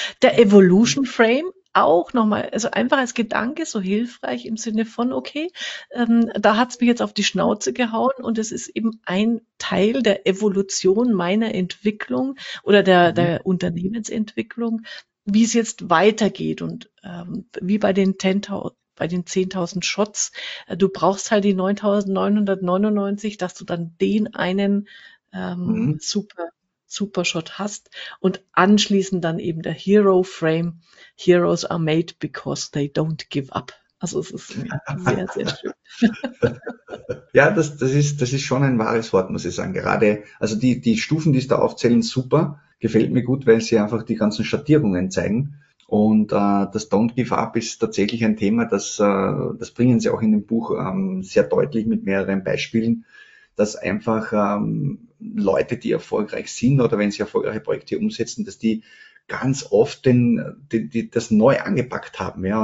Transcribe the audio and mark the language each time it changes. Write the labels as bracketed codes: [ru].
[de] Der Evolution Frame auch nochmal, also einfach als Gedanke so hilfreich im Sinne von, okay, da hat es mich jetzt auf die Schnauze gehauen und es ist eben ein Teil der Evolution meiner Entwicklung oder der Unternehmensentwicklung, wie es jetzt weitergeht und wie bei den 10.000. Bei den 10.000 Shots, du brauchst halt die 9.999, dass du dann den einen super, super Shot hast und anschließend dann eben der Hero Frame. [en] Heroes are made because they don't give up. [de] Also es ist mir sehr, sehr schön. Ja, das ist schon ein wahres Wort, muss ich sagen. Gerade, also die Stufen, die es da aufzählen, super. Gefällt mir gut, weil sie einfach die ganzen Schattierungen zeigen. Und das Don't Give Up ist tatsächlich ein Thema, das bringen sie auch in dem Buch sehr deutlich mit mehreren Beispielen, dass einfach Leute, die erfolgreich sind oder wenn sie erfolgreiche Projekte umsetzen, dass die ganz oft das neu angepackt haben. Ja?